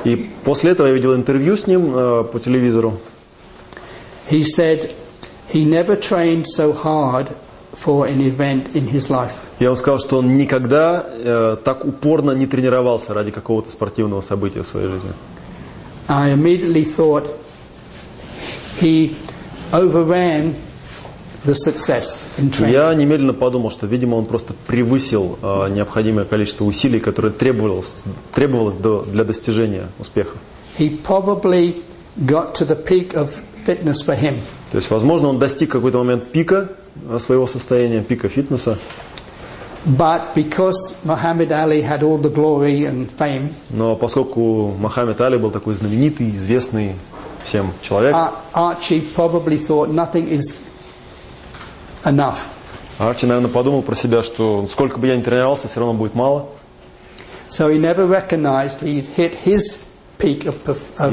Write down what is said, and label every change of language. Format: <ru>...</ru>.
<ru>И после этого я видел интервью с ним по телевизору.</ru> <en>He said, he never trained so hard for an event in his life.</en> <ru>Я вам сказал, что он никогда так упорно не тренировался ради какого-то спортивного события в своей жизни.</ru> <en>I immediately thought he overran the success in training.</en> <ru>Я немедленно подумал, что, видимо, он просто превысил необходимое количество усилий, которые требовалось для достижения успеха.</ru> <en>He probably got to the peak of fitness for him.</en> <ru>То есть, возможно, он достиг какой-то момент пика своего состояния, пика фитнеса.</ru> <en>But because Muhammad Ali had all the glory and fame.</en> <ru>Но поскольку Мухаммед Али был такой знаменитый, известный всем человек.</ru> <en>Archie probably thought nothing is enough.</en> <ru>Арчи, наверное, подумал про себя, что сколько бы я ни тренировался, все равно будет мало.</ru> <en>So he never recognized he'd hit his peak of fitness.</en>